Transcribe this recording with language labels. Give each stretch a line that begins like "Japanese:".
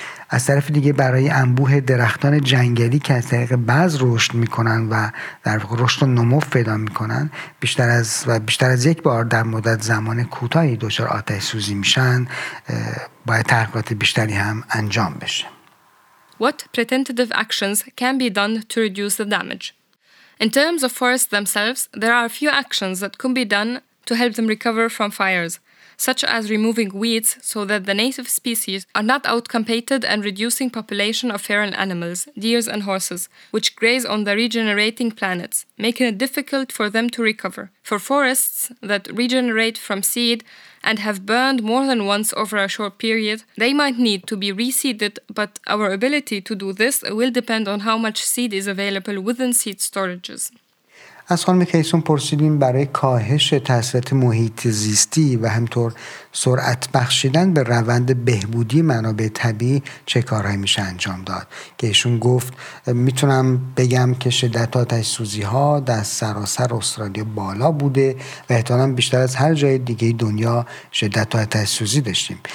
Persian: از طرف دیگه برای انبوه درختان جنگلی که از طریق بعض رشد میکنن و در واقع رشد و نمو پیدا میکنن، بیشتر از یک بار در مدت زمان کوتاهی دچار آتش سوزی میشن، باید تحقیقات بیشتری هم انجام بشه.
English: What preventative actions can be done to reduce the damage? In terms of forests themselves, there are a few actions that can be done to help them recover from fires, such as removing weeds so that the native species are not outcompeted and reducing population of feral animals, deers and horses, which graze on the regenerating planets, making it difficult for them to recover. For forests that regenerate from seed and have burned more than once over a short period, they might need to be reseeded, but our ability to do this will depend on how much seed is available within seed storages.
Persian: از خانم کیسون پرسیدیم برای کاهش تأثیرات محیط زیستی و همطور سرعت بخشیدن به روند بهبودی منابع طبیعی چه کارهایی میشه انجام داد، که ایشون گفت میتونم بگم که شدت آتش سوزی ها در سراسر استرالیا بالا بوده و احتمالاً بیشتر از هر جای دیگه دنیا شدت آتش سوزی داشتیم.